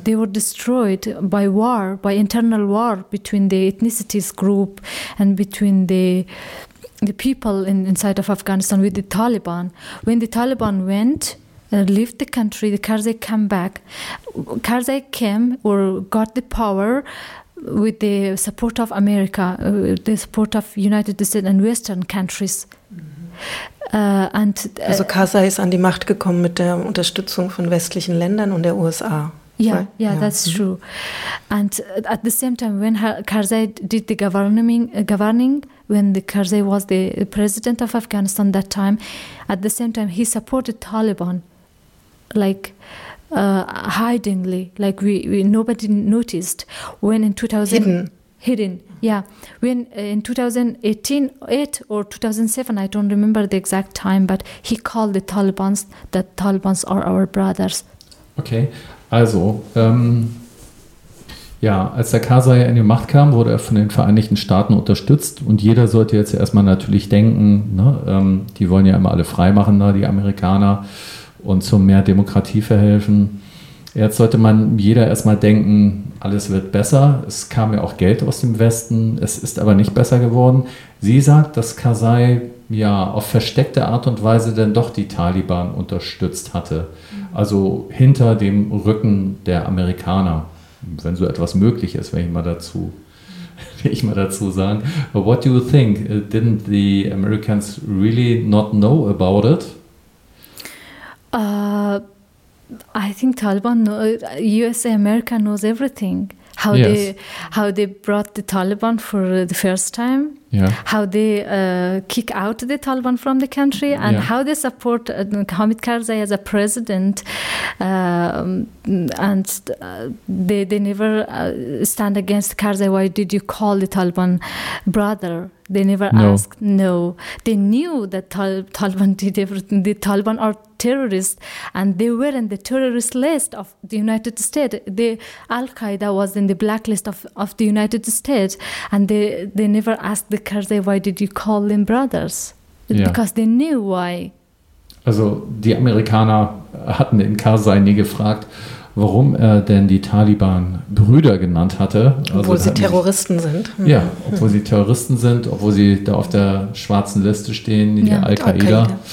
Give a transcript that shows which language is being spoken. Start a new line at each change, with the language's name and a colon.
English: They were destroyed by war, by internal war between the ethnicities group and between the people inside of Afghanistan with the Taliban. When the Taliban went and left the country, the Karzai came back. Karzai came or got the power with the support of America, the support of United States and Western countries.
German: Also Karzai ist an die Macht gekommen mit der Unterstützung von westlichen Ländern und der USA.
English: Yeah, that's true. And at the same time, when Karzai did the governing, when the Karzai was the president of Afghanistan that time, at the same time, he supported Taliban, like, hidingly, like we nobody noticed. When in 2000... When in 2008 or 2007, I don't remember the exact time, but he called the Taliban that Taliban are our brothers. Okay.
German: Also, als der Karzai in die Macht kam, wurde er von den Vereinigten Staaten unterstützt. Und jeder sollte jetzt erstmal natürlich denken, ne, die wollen ja immer alle freimachen da, die Amerikaner, und zu mehr Demokratie verhelfen. Jetzt sollte man jeder erstmal denken, alles wird besser. Es kam ja auch Geld aus dem Westen, es ist aber nicht besser geworden. Sie sagt, dass Karzai ja auf versteckte Art und Weise dann doch die Taliban unterstützt hatte. Also hinter dem Rücken der Amerikaner. wenn so etwas möglich ist, wenn ich mal dazu sagen.
English: But what do you think? Didn't the Americans really not know about it? I think Taliban know, USA America knows everything. How yes. how they brought the Taliban for the first time. Yeah. How they kick out the Taliban from the country and yeah. how they support Hamid Karzai as a president. They never stand against Karzai. Why did you call the Taliban brother? They never asked. No, they knew that Taliban did everything. The Taliban are terrorists, and they were in the terrorist list of the United States. The Al Qaeda was in the blacklist of the United States, and they never asked the Karzai, why did you call them brothers? Yeah. Because they knew why.
German: Also die Amerikaner hatten den Karzai nie gefragt, warum er denn die Taliban Brüder genannt hatte. Also obwohl sie Terroristen sind. Ja, obwohl sie Terroristen sind, obwohl sie da auf der schwarzen Liste stehen, die Al-Qaida.